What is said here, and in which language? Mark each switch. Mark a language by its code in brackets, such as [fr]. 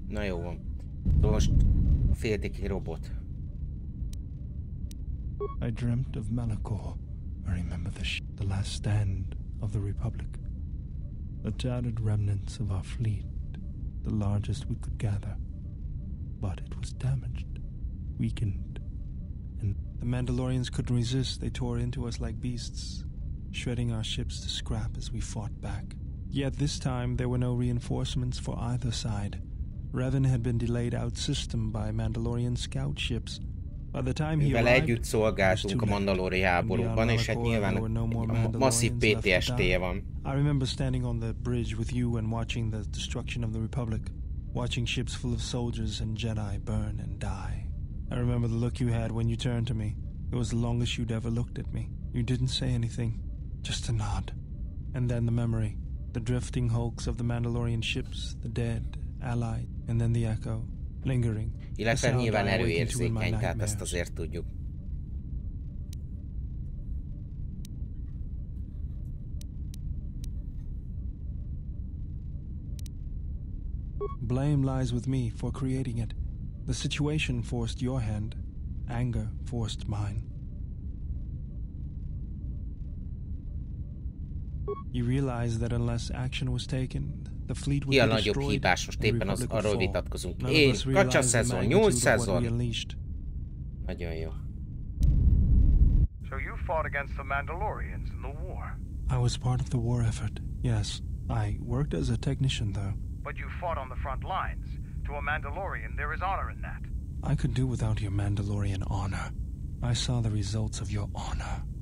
[hu] Na jó, most féltik egy robot. [en] I dreamt of Malachor. I remember the last stand of the Republic. The tattered remnants of our fleet, the largest we could gather. But it was damaged, weakened, and the Mandalorians couldn't resist. They tore into us like beasts, shredding our ships to scrap as we fought back. Yet this time there were no reinforcements for either side. Revan had been delayed out system by Mandalorian scout ships. By the time he arrived, [hu] együtt szolgáltunk a Mandalori háborúban, és hát nyilván masszív PTSD-je van. [en] I remember standing on the bridge with you and watching the destruction of the Republic, watching ships full of soldiers and Jedi burn and die. I remember the look you had when you turned to me. It was the longest you'd ever looked at me. You didn't say anything, just a nod. And then the memory, the drifting hulks of the Mandalorian ships, the dead, allied, and then the echo, lingering. [hu] Illetve nyilván erőérzékeny, tehát ezt azért tudjuk. [en] Blame lies with me for creating it. The situation forced your hand. Anger forced mine. You realize that unless action was taken, the fleet would be destroyed. [hu] Ki a nagyobb hibás, most éppen az arról vitatkozunk. Én, kacsa szezon, nyúl szezon. Nagyon jó. [en] So you fought against the Mandalorians in the war. I was part of the war effort, yes. I worked as a technician, though. But you fought on the front lines. To a Mandalorian, there is honor in that. I could do without your Mandalorian honor. I saw the results of your honor.